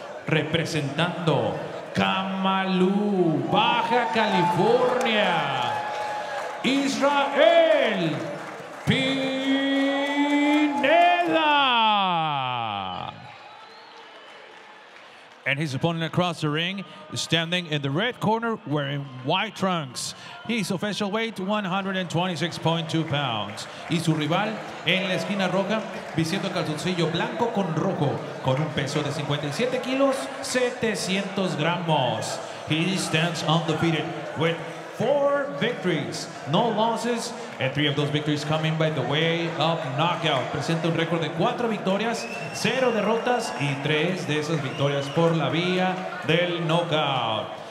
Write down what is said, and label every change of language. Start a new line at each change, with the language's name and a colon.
Spanish: Representando Camalú, Baja California, Israel Pineda.
English: And his opponent across the ring is standing in the red corner wearing white trunks. His official weight, 126.2 pounds.
Spanish: Y su rival en la esquina roja, vistiendo calzoncillo blanco con rojo, con un peso de 57 kilos, 700 gramos.
English: He stands undefeated with 4 victories, no losses, and 3 of those victories coming by the way of knockout.
Spanish: Presenta un récord de 4 victorias, 0 derrotas y 3 de esas victorias por la vía del knockout.